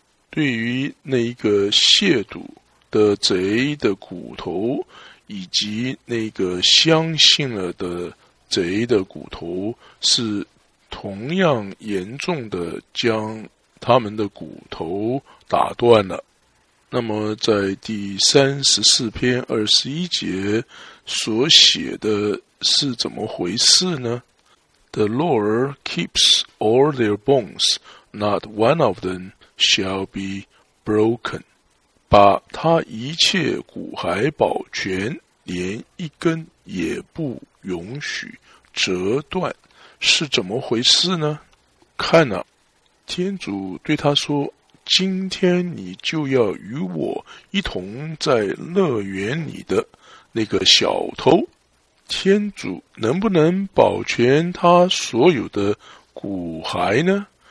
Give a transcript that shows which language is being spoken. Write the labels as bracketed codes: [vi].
[zh] 对于那一个亵渎的贼的骨头，以及那个相信了的贼的骨头，是同样严重的将他们的骨头打断了。那么在第34篇21节所写的是怎么回事呢？ [en] The Lord keeps all their bones, not one of them shall be broken. [zh] 把他一切骨骸保全，连一根也不允许折断。是怎么回事呢？看啊，天主对他说，今天你就要与我一同在乐园里的那个小偷，天主能不能保全他所有的骨骸呢？